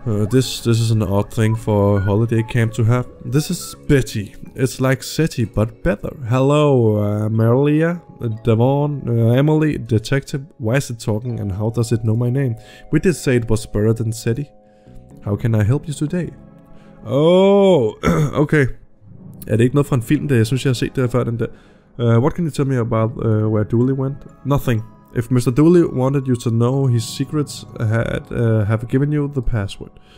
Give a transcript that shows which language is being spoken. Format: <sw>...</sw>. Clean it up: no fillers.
<en>This is an odd thing for a holiday camp to have. This is Betty. It's like City, but better. Hello, Marilia, Devon, Emily, Detective. Why is it talking and how does it know my name? We did say it was better than City. How can I help you today? Oh, okay.</en> <da>Er det ikke noget fra en film, der jeg synes, jeg har set det før den der?</da> <en>What can you tell me about where Dooley went? Nothing. If Mr. Dooley wanted you to know his secrets, had have given you the password.</en>